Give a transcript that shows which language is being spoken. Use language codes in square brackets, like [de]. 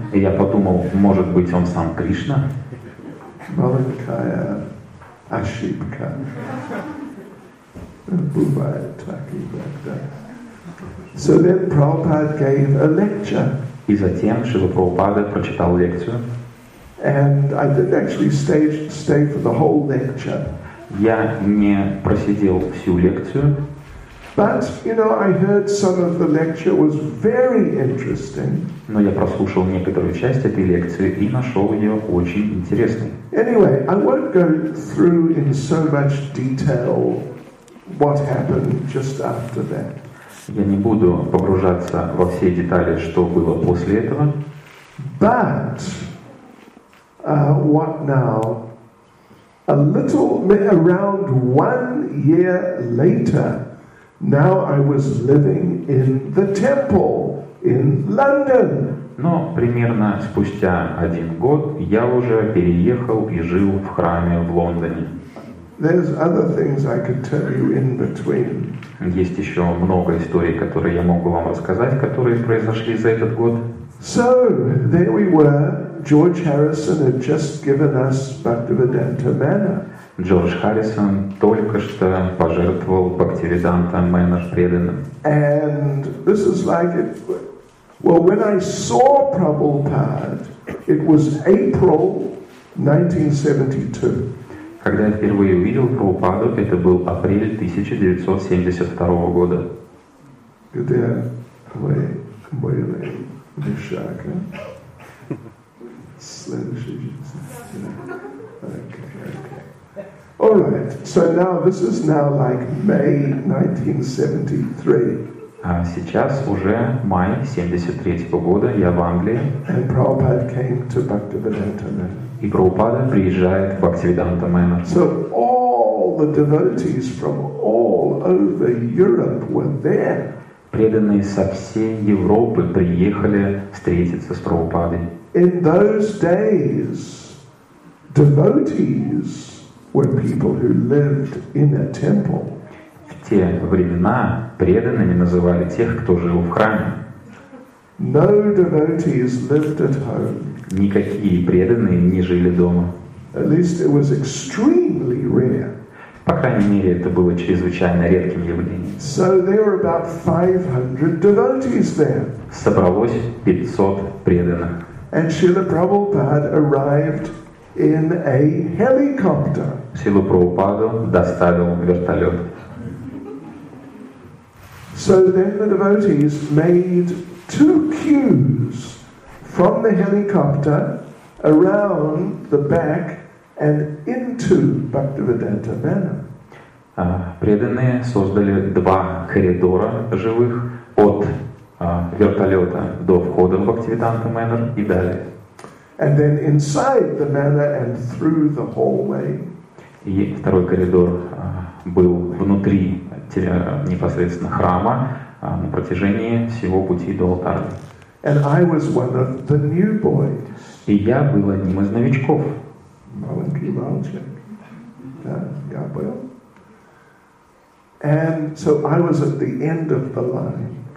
[ru] И я подумал, может быть, он сам Кришна. Маленькая ошибка. Бывает так и так. [en] So then Prabhupada gave a lecture. [ru] И затем Шрила Прабхупада прочитал лекцию. [en] And I didn't actually stay for the whole lecture. [ru] Я не просидел всю лекцию. [en] But you know, I heard some of the lecture was very interesting. [ru] Но я прослушал некоторую часть этой лекции и нашел ее очень интересной. [en] Anyway, I won't go through in so much detail. What happened just after that? [ru] Я не буду погружаться во все детали, что было после этого. [en] But what now? A little around 1 year later. Now I was living in the temple in London. [ru] Но примерно спустя один год я уже переехал и жил в храме в Лондоне. [en] There's other things I could tell you in between. [ru] Есть еще много историй, которые я могу вам рассказать, которые произошли за этот год. [en] So there we were. George Harrison had just given us Bhaktivedanta Manor. [ru] Джордж Харрисон только что пожертвовал Бхактивиданта Манор преданным. [en] And this is like it. Well, when I saw Prabhupada, it was April 1972. [ru] Когда я впервые увидел Прабхупаду, это был апрель 1972 года. Где вы были, Мишака? Следующий день. [en] Okay. All right. So now this is now like May 1973. [ru] А сейчас уже май 73 года. Я в Англии. [en] And Prabhupada came to Bhaktivedanta Manor. [ru] И Прабхупада приезжает в Бхактивиданта Манор. [en] So all the devotees from all over Europe were there. [ru] Преданные со всей Европы приехали встретиться с Прабхупадой. [en] In those days, devotees were people who lived in a temple. [ru] В те времена преданными называли тех, кто жил в храме. [en] No devotees lived at home. [ru] Никакие преданные не жили дома. [en] At least it was extremely rare. [ru] По крайней мере, это было чрезвычайно редким явлением. [en] So there were about 500 devotees there. [ru] Собралось 500 преданных. [en] And Srila Prabhupada arrived in a helicopter. [ru] Srila Prabhupada доставил вертолет. [en] So then the devotees made two queues from the helicopter around the back and into Bhaktivedanta Manor. [ru] Преданные создали два коридора живых от вертолета до входа в Бхактивиданта Манор и далее. [en] And then inside the manor and through the hallway. [ru] И второй коридор был внутри непосредственно храма на протяжении всего пути до алтаря. [en] And I was one of the new boys. [ru] И я был одним из новичков. Маленький мальчик. Да, я был. [en] And so I was at the end of the line.